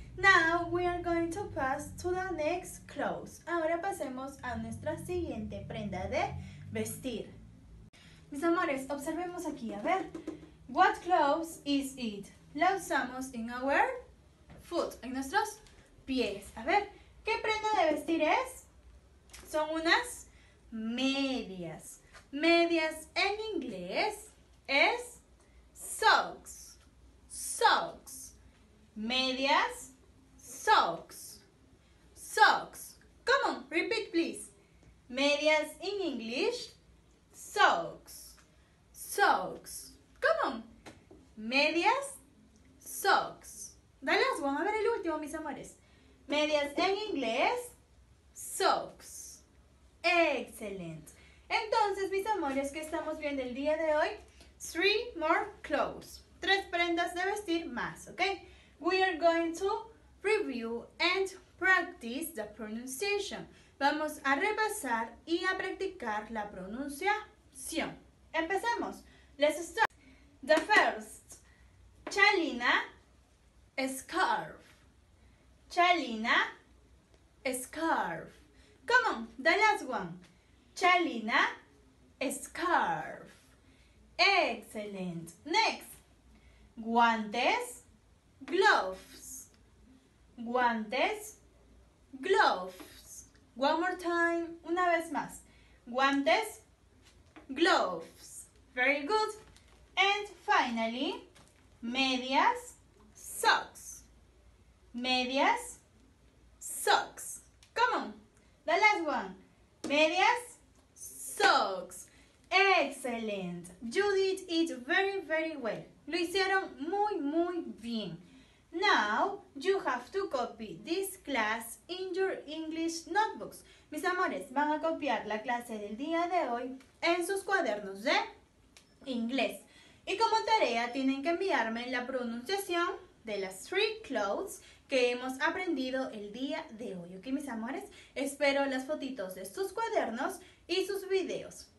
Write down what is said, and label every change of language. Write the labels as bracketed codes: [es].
[en] Now we are going to pass to the next clothes. [es] Ahora pasemos a nuestra siguiente prenda de vestir. Mis amores, observemos aquí, a ver. [en] What clothes is it? [es] La usamos [en] in our foot, [es] en nuestros pies. A ver, ¿qué prenda de vestir es? Son unas medias. Medias en inglés es socks. [en] Socks. Medias, socks. Socks. Come on, repeat please. Medias in English, socks. Socks. Come on. Medias, socks. [es] Dale, vamos a ver el último, mis amores. Medias en inglés, socks. Excellent. Entonces, mis amores, ¿qué estamos viendo el día de hoy? [en] Three more clothes. [es] Tres prendas de vestir más, ¿ok? [en] We are going to review and practice the pronunciation. [es] Vamos a repasar y a practicar la pronunciación. Empecemos. [en] Let's start. The first, chalina, scarf. Chalina, scarf. Come on, the last one. Chalina, scarf. Excellent. Next, guantes, gloves. Guantes, gloves. One more time, [es] una vez más. [en] Guantes, gloves. Very good. And finally, medias, socks. Medias, socks. Come on. The last one. Medias, socks. Excellent. You did it very, very well. [es] Lo hicieron muy, muy bien. [en] Now, you have to copy this class in your English notebooks. [es] Mis amores, van a copiar la clase del día de hoy en sus cuadernos de inglés. Y como tarea, tienen que enviarme la pronunciación de las [en] three clothes [es] que hemos aprendido el día de hoy. ¿Ok, mis amores? Espero las fotitos de sus cuadernos y sus videos.